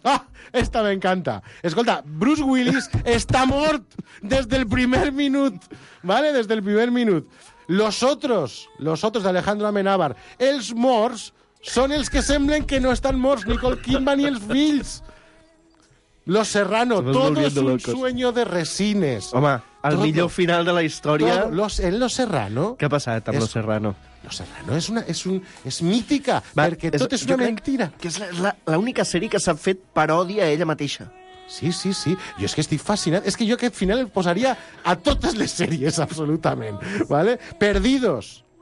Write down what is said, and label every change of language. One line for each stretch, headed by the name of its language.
Catalan: Ah, esta m'encanta. Escolta, Bruce Willis està mort des del primer minut. ¿Vale? Des del primer minut. Los otros de Alejandro Amenábar, els morts són els que semblen que no estan morts, Nicole Kidman i els fills.
Spanish: Los Serrano, todo es un sueño de resines.
Catalan: Home, el millor final de la història... En Los Serrano... Què ha passat amb Los Serrano? Los Serrano és mítica, perquè tot és una mentira. Que és l'única sèrie que s'ha fet paròdia a ella mateixa. Sí, sí, sí. Jo és que estic fascinat. És que jo aquest final el posaria a totes les sèries, absolutament. ¿Vale? Perdidos.